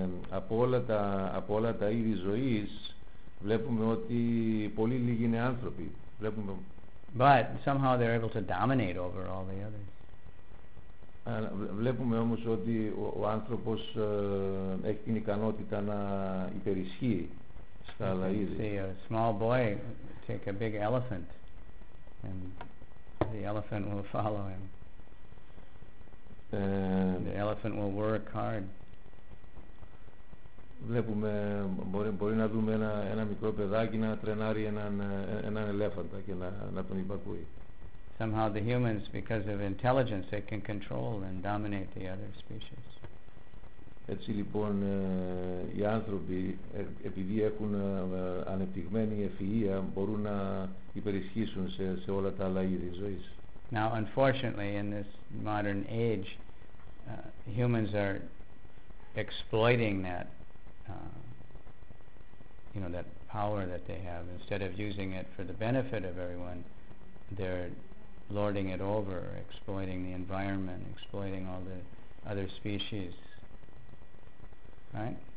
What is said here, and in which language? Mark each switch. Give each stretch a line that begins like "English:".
Greek: Από όλα τα είδη ζωής βλέπουμε ότι πολύ λίγοι είναι άνθρωποι. Βλέπουμε.
English: But somehow they're able to dominate over all the others.
Greek: Βλέπουμε όμως ότι ο άνθρωπος έχει την ικανότητα να υπερισχύει στα άλλα είδη.
English: See a small boy take a big elephant, and the elephant will follow him. The elephant will work hard.
Greek: Βλέπουμε, μπορεί να δούμε ένα μικρό παιδάκι να τρενάρει έναν ελέφαντα και να τον υπακούει.
English: Somehow the humans, because of intelligence, they can control and dominate the other species.
Greek: Έτσι λοιπόν, οι άνθρωποι, επειδή έχουν ανεπτυγμένη ευφυΐα, μπορούν να υπερισχύσουν σε όλα τα άλλα είδη ζωής.
English: Now, unfortunately, in this modern age, humans are exploiting that, you know, that power that they have. Instead of using it for the benefit of everyone, they're lording it over, exploiting the environment, exploiting all the other species, right?